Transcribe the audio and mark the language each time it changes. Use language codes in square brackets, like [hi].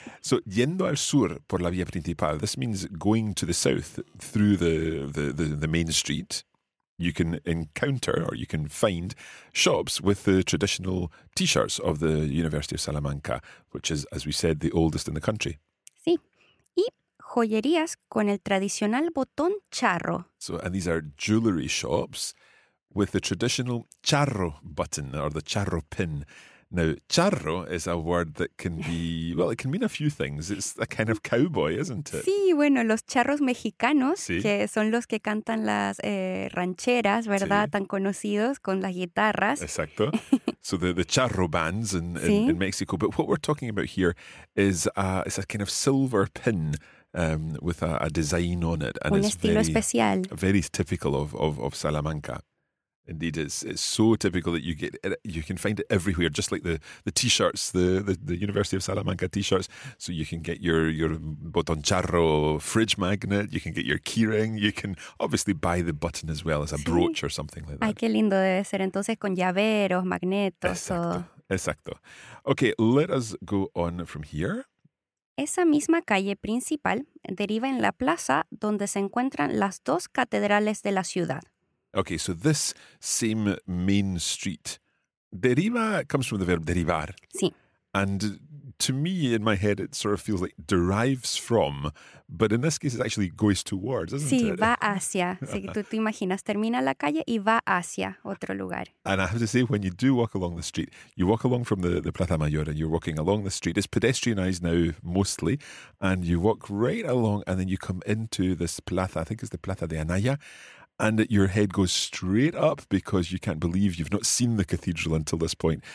[en] So [es] yendo al sur por la vía principal, [en] this means going to the south through the main street, you can encounter or you can find shops with the traditional t-shirts of the University of Salamanca, which is, as we said, the oldest in the country. [es] Sí. Y joyerías con el tradicional botón charro. [en] So, and these are jewelry shops with the traditional charro button or the charro pin. Now, charro is a word that can be, well, it can mean a few things. It's a kind of cowboy, isn't it? [es] Sí, bueno, los charros mexicanos, sí. Que son los que cantan las rancheras, ¿verdad? Sí. Tan conocidos con las guitarras. Exacto. [en] So the charro bands in Mexico. But what we're talking about here is it's a kind of silver pin with a design on it. And un it's estilo very, especial. Very typical of Salamanca. Indeed, it's so typical that you can find it everywhere, just like the t-shirts, the University of Salamanca t-shirts. So you can get your Botón Charro fridge magnet, you can get your keyring, you can obviously buy the button as well as a sí. Brooch or something like that. [es] Ay, qué lindo debe ser entonces con llaveros, magnetos. Exacto, exacto. [en] Okay, let us go on from here. [es] Esa misma calle principal deriva en la plaza donde se encuentran las dos catedrales de la ciudad. [en] Okay, so this same main street, deriva comes from the verb derivar. [es] Sí. [en] And to me, in my head, it sort of feels like derives from, but in this case, it actually goes towards, isn't [es] sí, [en] it? [es] Sí, va hacia. Si tú te imaginas, termina la calle y va hacia otro lugar. [en] And I have to say, when you do walk along the street, you walk along from the Plaza Mayor and you're walking along the street, it's pedestrianized now mostly, and you walk right along and then you come into this plaza, I think it's the Plaza de Anaya, and your head goes straight up because you can't believe you've not seen the cathedral until this point.